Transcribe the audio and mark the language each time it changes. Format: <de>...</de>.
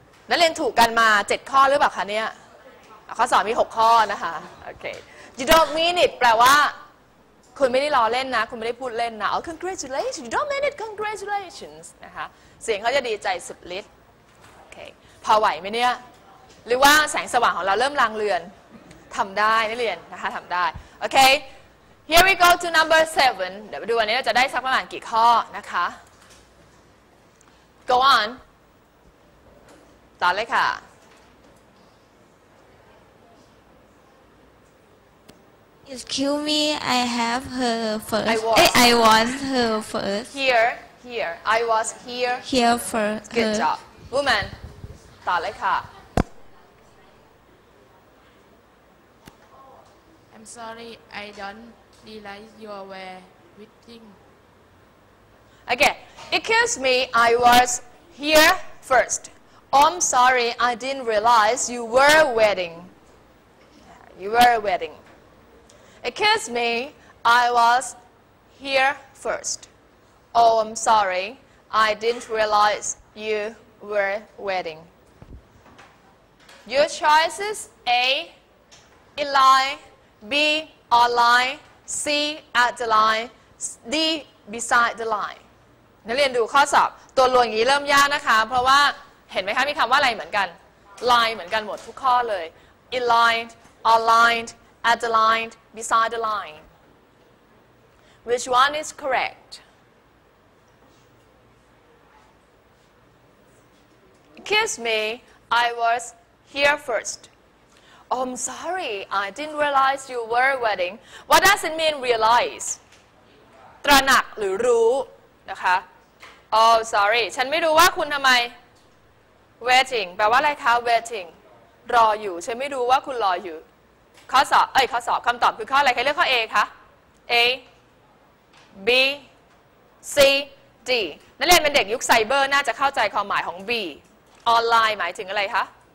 <th>นักเรียนถูกกันมา7ข้อหรือเปล่าคะเนี่ยข้อสอบมี6ข้อนะคะโอเค</th> <en>You don't mean it</en> <th>แปลว่าคุณไม่ได้ล้อเล่นนะคุณไม่ได้พูดเล่นนะอ๋อ</th> <en>congratulations you don't mean it congratulations</en> <th>นะคะเสียงเขาจะดีใจสุดฤทธิ์โอเคพอไหวไหมเนี่ยหรือว่าแสงสว่างของเราเริ่มลางเลือน ทำได้นักเรียนนะคะทำได้โอเค</th> <en>here we go to number 7</en> <th>เดี๋ยวไปดูวันนี้เราจะได้สักประมาณกี่ข้อนะคะ</th> <en>go on</en> <th>ต่อเลยค่ะ</th> <en>Excuse me, I have her first. I want her first. Here. I was here. Here first. Good job. Woman,</en> <th>ต่อเลยค่ะ</th> <en>I'm sorry, I don't realize you were waiting. Okay, excuse me, I was here first. I'm sorry, I didn't realize you were waiting. You were waiting. Excuse me, I was here first. Oh, I'm sorry. I didn't realize you were waiting. Your choices A, in line, B, online, C, at the line, D, beside the line.</en> <th>นักเรียนดูข้อสอบตัวลวงอย่างนี้เริ่มยากนะคะเพราะว่าเห็นไหมคะมีคำว่าอะไรเหมือนกัน line เหมือนกันหมดทุกข้อเลย</th> <en>in line, onlineAt the line, beside the line. Which one is correct? Excuse me, I was here first. Oh, I'm sorry, I didn't realize you were waiting. What does it mean, realize?</en> <th>ตระหนักหรือรู้นะคะ</th> <en>Oh, sorry,</en> <th>ฉันไม่รู้ว่าคุณทำไม waiting. แปลว่าอะไรคะ waiting. รออยู่ฉันไม่รู้ว่าคุณรออยู่ข้อสอบข้อสอบคำตอบคือข้ออะไรใครเลือกข้อ A คะ A B C D นักเรียนเป็นเด็กยุคไซเบอร์น่าจะเข้าใจความหมายของ B ออนไลน์หมายถึงอะไรคะ</th>